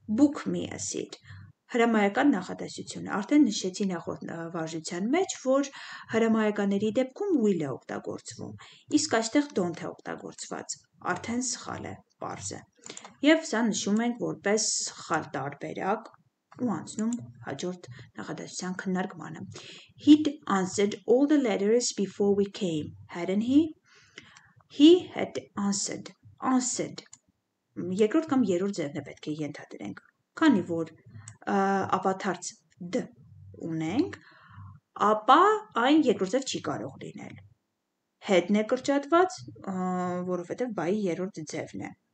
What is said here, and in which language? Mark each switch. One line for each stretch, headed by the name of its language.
English: Book me a seat.
Armenian: Հրամայական նախադասությունը, արդեն նշեցի նախորդ վարժության մեջ, որ հրամայականների դեպքում will է օգտագործվում, իսկ այստեղ don't է օգտագործված, արդեն սխալ է, պարզ է, և սա նշում ենք որպես սխալ տարբերակ ու անցնում հաջորդ նախադասության քննարկմանը.
English: He'd answered all the letters before we came, hadn't he? He had answered, answered.
Armenian: Երկրորդ կամ երրորդ ձևն է պետք է ենթադրենք, քանի որ ավատարձ d ունենք, ապա այն երկրորդ ձև չի կարող լինել. Head-ն է կրճատված, որովհետև by-ի երրորդ ձևն է.